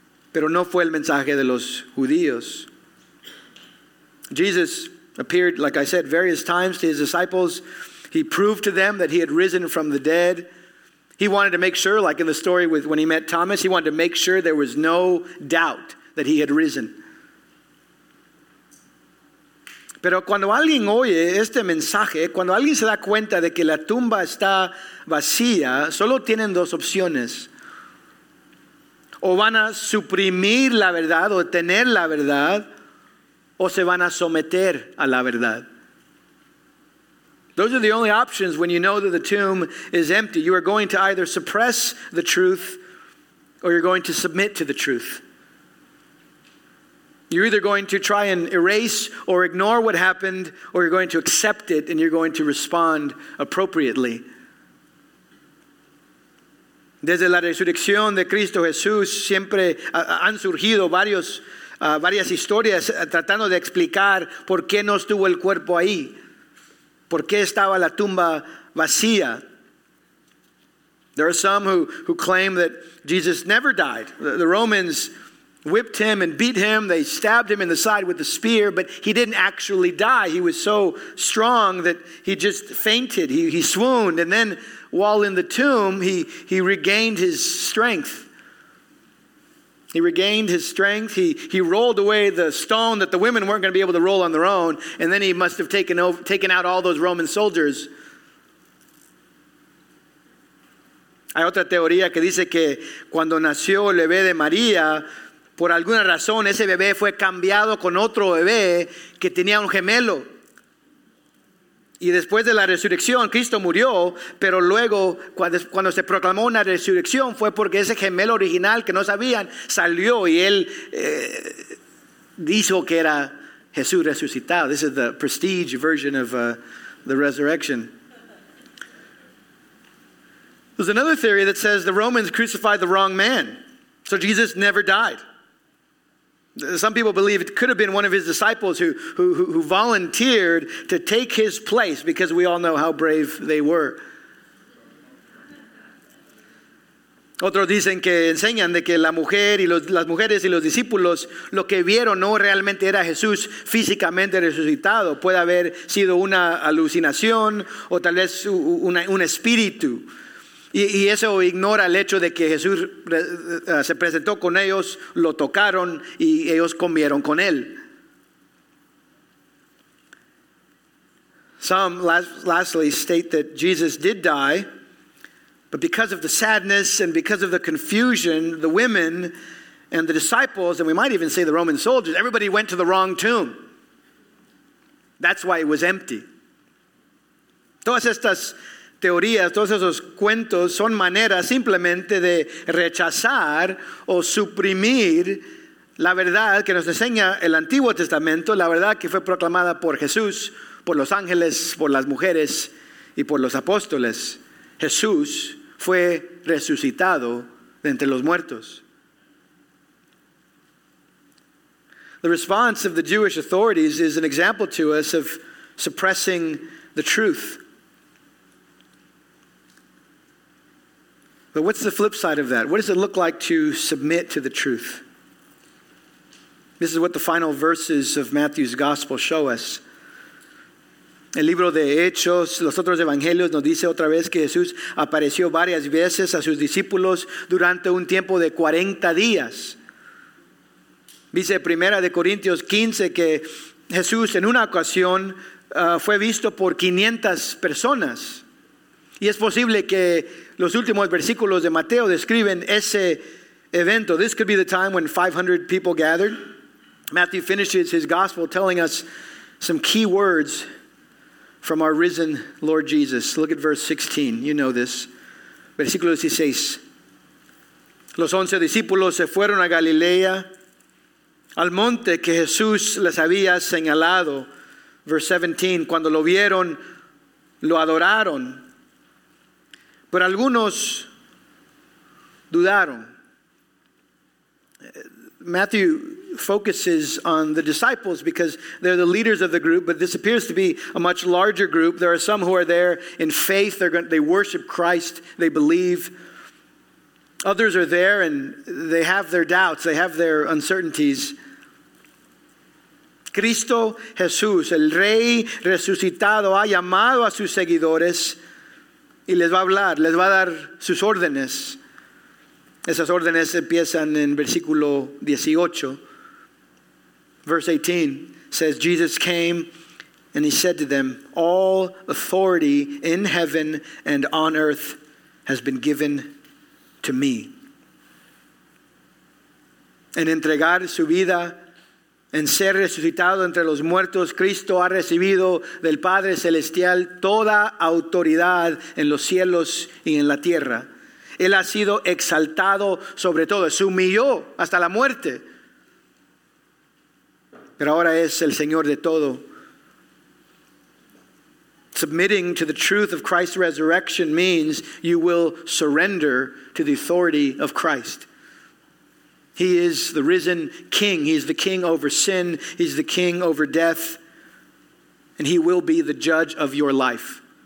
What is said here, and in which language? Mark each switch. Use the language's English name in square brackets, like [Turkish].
[Spanish] Pero no fue el mensaje de los judíos. [English] Jesus appeared, like I said, various times to his disciples. He proved to them that he had risen from the dead. He wanted to make sure, like in the story with when he met Thomas, he wanted to make sure there was no doubt that he had risen. [Spanish] Pero cuando alguien oye este mensaje, cuando alguien se da cuenta de que la tumba está vacía, solo tienen dos opciones. O van a suprimir la verdad o tener la verdad, o se van a someter a la verdad. [English] Those are the only options when you know that the tomb is empty. You are going to either suppress the truth or you're going to submit to the truth. You're either going to try and erase or ignore what happened, or you're going to accept it and you're going to respond appropriately. [Spanish] Desde la resurrección de Cristo Jesús siempre han surgido varias historias tratando de explicar por qué no estuvo el cuerpo ahí, por qué estaba la tumba vacía. [English] There are some who claim that Jesus never died. The Romans whipped him and beat him. They stabbed him in the side with a spear, but he didn't actually die. He was so strong that he just fainted. He swooned. And then while in the tomb, he regained his strength. He regained his strength. He rolled away the stone that the women weren't going to be able to roll on their own. And then he must have taken out all those Roman soldiers. [Spanish] Hay otra teoría que dice que cuando nació el bebé de María, por alguna razón ese bebé fue cambiado con otro bebé que tenía un gemelo. Y después de la resurrección, Cristo murió, pero luego cuando se proclamó una resurrección fue porque ese gemelo original que no sabían salió y él dijo que era Jesús resucitado. [English] This is the prestige version of the resurrection. There's another theory that says the Romans crucified the wrong man, so Jesus never died. Some people believe it could have been one of his disciples who volunteered to take his place because we all know how brave they were. [Spanish] Otros dicen que enseñan de que la mujer y las mujeres y los discípulos lo que vieron no realmente era Jesús físicamente resucitado. Puede haber sido una alucinación o tal vez un espíritu. Y eso ignora el hecho de que Jesús se presentó con ellos, lo tocaron y ellos comieron con él. [English] Some lastly state that Jesus did die, but because of the sadness and because of the confusion, the women and the disciples, and we might even say the Roman soldiers, everybody went to the wrong tomb. That's why it was empty. [Spanish] Todas estas teorías, todos esos cuentos son maneras simplemente de rechazar o suprimir la verdad que nos enseña el Antiguo Testamento, la verdad que fue proclamada por Jesús, por los ángeles, por las mujeres y por los apóstoles. Jesús fue resucitado de entre los muertos. [English] The response of the Jewish authorities is an example to us of suppressing the truth. But what's the flip side of that? What does it look like to submit to the truth? This is what the final verses of Matthew's gospel show us. [Spanish] El libro de Hechos, los otros evangelios, nos dice otra vez que Jesús apareció varias veces a sus discípulos durante un tiempo de 40 días. Dice Primera de Corintios 15 que Jesús en una ocasión fue visto por 500 personas. Y es posible que los últimos versículos de Mateo describen ese evento. [English] This could be the time when 500 people gathered. Matthew finishes his gospel telling us some key words from our risen Lord Jesus. Look at verse 16. You know this. [Spanish] Versículo 16. Los 11 discípulos se fueron a Galilea, al monte que Jesús les había señalado. [English] Verse 17. [Spanish] Cuando lo vieron, lo adoraron. Pero algunos dudaron. [English] Matthew focuses on the disciples because they're the leaders of the group, but this appears to be a much larger group. There are some who are there in faith. They worship Christ. They believe. Others are there and they have their doubts. They have their uncertainties. [Spanish] Cristo Jesús, el Rey resucitado, ha llamado a sus seguidores y les va a hablar, les va a dar sus órdenes. Esas órdenes empiezan en versículo 18. [English] Verse 18 says, Jesus came and he said to them, all authority in heaven and on earth has been given to me. [Spanish] En entregar su vida, en ser resucitado entre los muertos, Cristo ha recibido del Padre Celestial toda autoridad en los cielos y en la tierra. Él ha sido exaltado sobre todo, se humilló hasta la muerte. pero ahora es el Señor de todo. [English] Submitting to the truth of Christ's resurrection means you will surrender to the authority of Christ. He is the risen king. He is the king over sin. He's the king over death. And he will be the judge of your life.